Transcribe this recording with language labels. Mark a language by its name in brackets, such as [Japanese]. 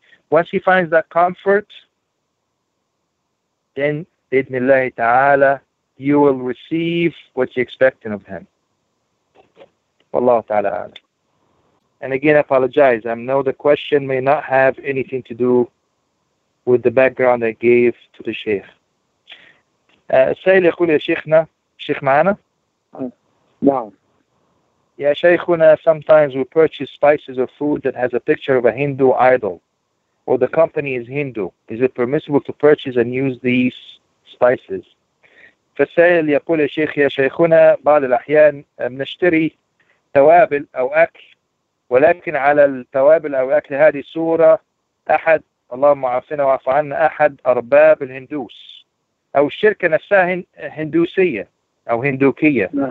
[English] Once he finds that comfort, then [Arabic] بإذن الله تعالى [English] you will receive what you're expecting of him. [Arabic] والله تعالى أعلم. [English] And again, I apologize. I know the question may not have anything to do with the background I gave to the Sheikh. [Arabic] السائل يقول يا شيخنا, شيخ معنا؟ نعم. يا شيخنا, [English] sometimes we purchase spices or food that has a picture of a Hindu idol, or the company is Hindu. Is it permissible to purchase and use these spices? [Arabic] فالسائل يقول يا شيخ, يا شيخنا, بعض الأحيان بنشتري توابل أو أكل, ولكن على التوابل أو أكل هذه صورة أحد, اللهم عافنا وعف عنا, أحد أرباب الهندوس أو الشركة نفسها هندوسية أو هندوكية.